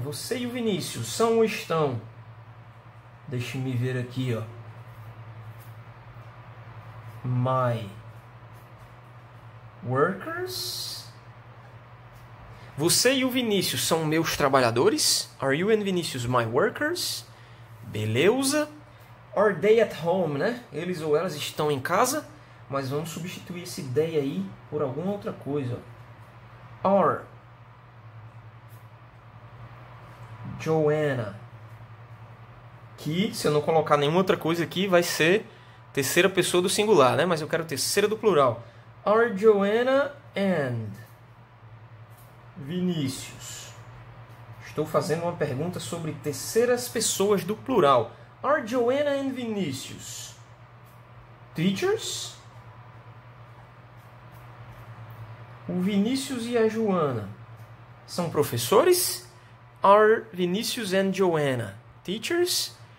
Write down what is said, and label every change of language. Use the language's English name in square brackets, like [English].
[Portuguese] Você e o Vinícius são ou estão? Deixe-me ver aqui, ó. [English] My workers? [Portuguese] Você e o Vinícius são meus trabalhadores? [English] Are you and Vinícius my workers? [Portuguese] Beleza. [English] Are they at home, [Portuguese] né? Eles ou elas estão em casa? Mas vamos substituir esse they aí por alguma outra coisa. [English] Are Joanna. [Portuguese] Que, se eu não colocar nenhuma outra coisa aqui, vai ser terceira pessoa do singular, né? Mas eu quero terceira do plural. [English] Are Joanna and Vinícius. [Portuguese] Estou fazendo uma pergunta sobre terceiras pessoas do plural. [English] Are Joanna and Vinícius teachers? [Portuguese] O Vinícius e a Joana são professores? [English] Are Vinícius and Joanna teachers?